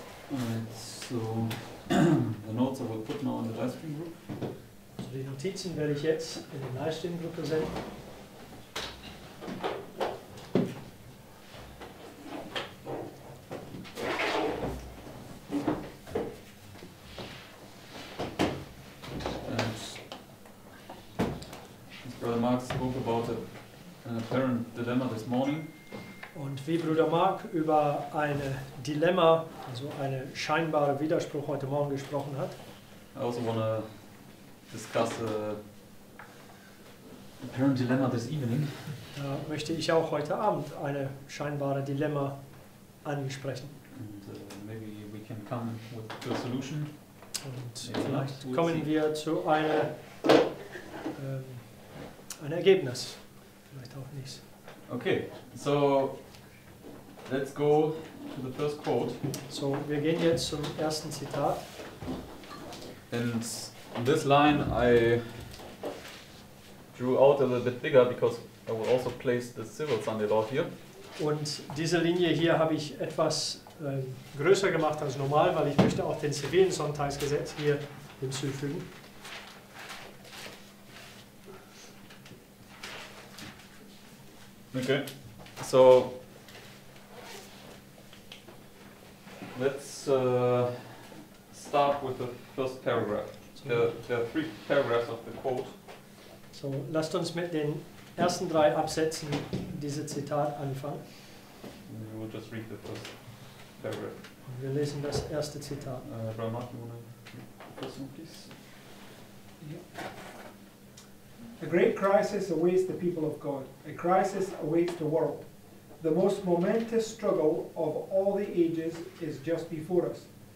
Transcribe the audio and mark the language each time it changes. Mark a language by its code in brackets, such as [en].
[en] Alright, so the notes I will put now in the live stream group. [de] Also die Notizen werde ich jetzt in den [en] live stream group [de] senden. [en] As Brother Mark spoke about an apparent dilemma this morning. [de] Und wie Bruder Mark über ein Dilemma, also einen scheinbaren Widerspruch heute Morgen gesprochen hat. [en] I also want to discuss the apparent dilemma this evening. [de] Da möchte ich auch heute Abend ein scheinbares Dilemma ansprechen. [en] And maybe we can come with the solution. [de] Und maybe vielleicht kommen wir zu einem Ergebnis. Vielleicht auch nicht. [en] Okay, so let's go to the first quote. [de] So, wir gehen jetzt zum ersten Zitat. [en] And this line I drew out a little bit bigger because I will also place the civil Sunday law here. [de] Und diese Linie hier habe ich etwas größer gemacht als normal, weil ich möchte auch den zivilen Sonntagsgesetz hier hinzufügen. [en] Okay. So let's start with the first paragraph. There are three paragraphs of the quote. [de] So, lasst uns mit den ersten drei Absätzen dieses Zitat anfangen. [en] We will just read the first paragraph. [de] Und wir lesen das erste Zitat. [en] Brother Mark, you want to read the first one, please? Yeah. A great crisis awaits the people of God. A crisis awaits the world. The most momentous struggle of all the ages is just before us.